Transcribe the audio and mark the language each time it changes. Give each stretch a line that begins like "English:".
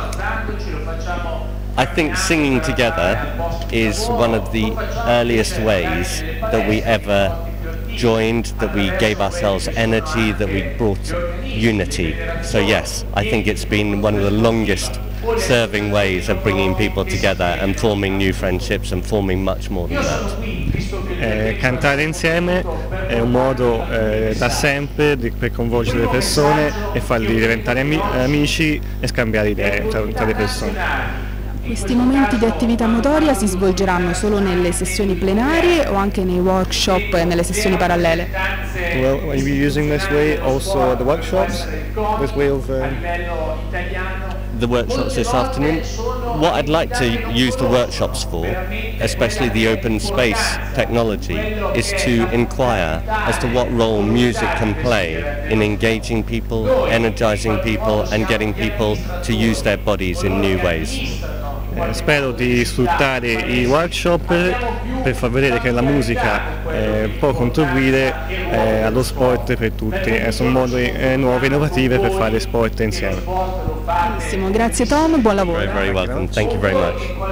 English: I think singing together is one of the earliest ways that we ever joined, that we gave ourselves energy, that we brought unity. So yes, I think it's been one of the longest serving ways of bringing people together and forming new friendships and forming much more than that.
Italian: Cantare insieme è un modo da sempre per coinvolgere le persone e farli diventare amici e scambiare idee tra le persone. Questi momenti di attività motoria si svolgeranno solo nelle sessioni plenarie o anche nei workshop e nelle sessioni parallele?
English: Well, are you using this way also at the workshops? This way of the workshops this afternoon. What I'd like to use the workshops for, especially the open space technology, is to inquire as to what role music can play in engaging people, energizing people and getting people to use their bodies in new ways.
Italian: Spero di sfruttare i workshop per far vedere che la musica può contribuire allo sport per tutti. Sono modi nuove, innovative per fare sport insieme. Benissimo, grazie Tom, buon lavoro.
English: Very welcome. Thank you very much.